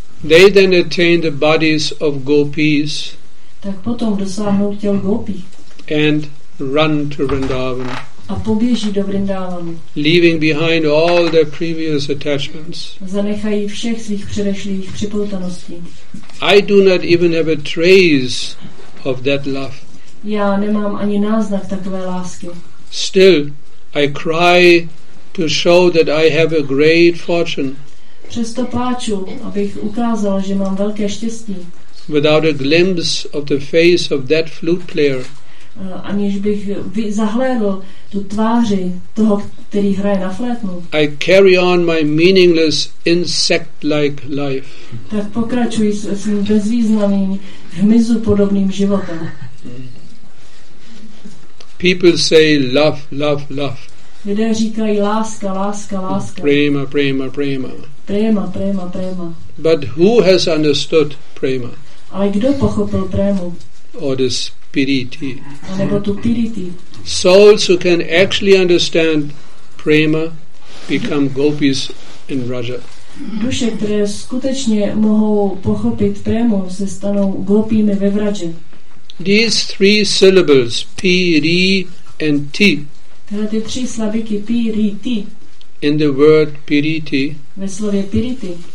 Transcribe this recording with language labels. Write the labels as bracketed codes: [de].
[en] They then attain the bodies of gopis. [cs] Tak potom dosáhnou těl gopí. [en] And run to Vrindavan. [cs] A poběží do Vrindavanu. [en] Leaving behind all their previous attachments. [cs] Zanechají všech svých předešlých připoutaností. [en] I do not even have a trace of that love. [cs] Já nemám ani náznak takové lásky. [en] Still, I cry to show that I have a great fortune. [cs] Přesto pláču, abych ukázal, že mám velké štěstí. [en] Without a glimpse of the face of that flute player. [cs] Aniž bych zahlédl tu tváři toho, který hraje na flétnu. [en] I carry on my meaningless insect-like life. [cs] Tak pokračuji svým bezvýznamným hmyzu podobným životem. [en] People say love, love, love. [cs] Lidé říkají láska, láska, láska. [bn] Prema, prema, prema. Prema, prema, prema. [en] But who has understood prema? [cs] Ale kdo pochopil prému? [en] Or the spiriti. [cs] A nebo tu piriti. [en] Souls who can actually understand prema become gopis in Raja. [cs] duše, které skutečně mohou pochopit prému, se stanou glopými ve vraže. [en] These three syllables, P, R, and T, [cs] tyhle ty tři slabiky, P, R, T, [en] in the word piriti, [cs] ve slově piriti,